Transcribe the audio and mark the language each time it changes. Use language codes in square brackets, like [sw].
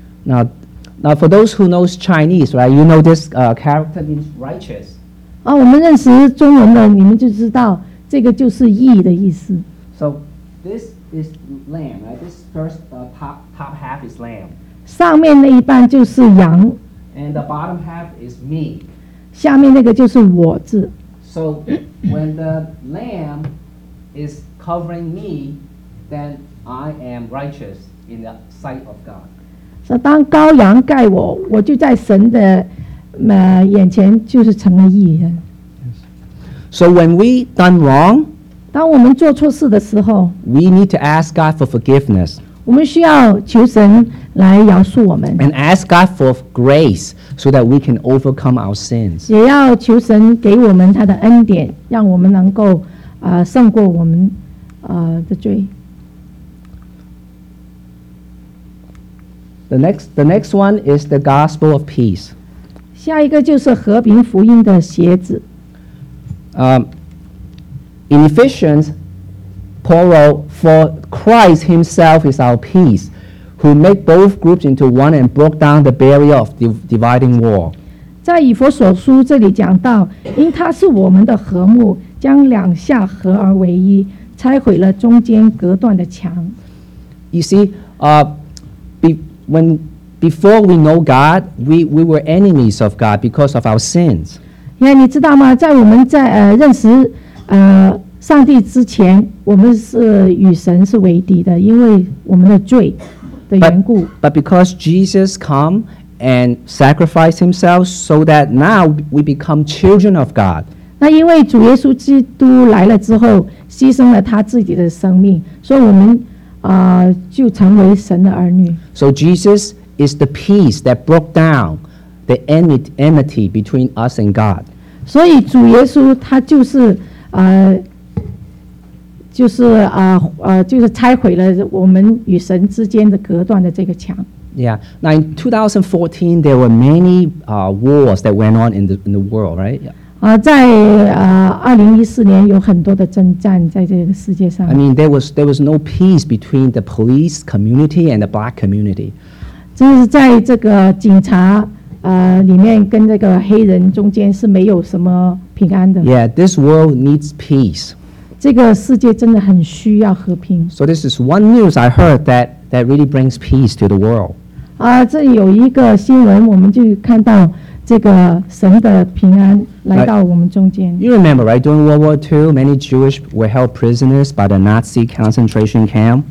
[en] Now for those who knows Chinese, right? You know this character means righteous. [zh] 我们认识中文的，你们就知道这个就是义的意思。 [en] So this is lamb, right? This first top half is lamb. [zh] 上面那一半就是羊。 [en] And the bottom half is me. [zh] 下面那个就是我字。 [en] So when the lamb is covering me, then I am righteous in the sight of God. [zh] So, 当羔羊盖我，我就在神的眼前就是成了义人。 [en] So, when we done wrong, [zh] 当我们做错事的时候， [en] we need to ask God for forgiveness. [zh] 我们需要求神来饶恕我们。 [en] And ask God for grace so that we can overcome our sins. [zh] 也要求神给我们他的恩典，让我们能够胜过我们的罪。 [en] The next one is the gospel of peace. [zh] 下一个就是和平福音的鞋子。 [en] In Ephesians, Paul wrote, "For Christ Himself is our peace, who make both groups into one and broke down the barrier of the dividing wall." [zh] 在以弗所书这里讲到，因他是我们的和睦，将两下合而为一，拆毁了中间隔断的墙。 [en] You see, before we know God, we were enemies of God because of our sins. [zh] Yeah, 你知道吗？在我们在认识上帝之前，我们是与神是为敌的，因为我们的罪的缘故。 [en] But because Jesus come and sacrifice himself so that now we become children of God. [zh] 那因为主耶稣基督来了之后，牺牲了他自己的生命，所以我们就成为神的儿女。 [en] So Jesus is the peace that broke down the enmity between us and God. [zh] 所以主耶稣他就是就是拆毁了我们与神之间的隔断的这个墙。 [en] Yeah. Now in 2014, there were many wars that went on in the world, right? Yeah. [zh] 在2014年有很多的征战在这个世界上。 [en] I mean, there was no peace between the police community and the black community. [zh] 就是在这个警察里面跟这个黑人中间是没有什么平安的。 [en] Yeah, this world needs peace. [zh] 这个世界真的很需要和平。 [en] So this is one news I heard that really brings peace to the world. [zh] 这里有一个新闻，我们就看到。这个神的平安来到我们中间。 [en] You remember, right? During World War II, many Jewish were held prisoners by the Nazi concentration camp.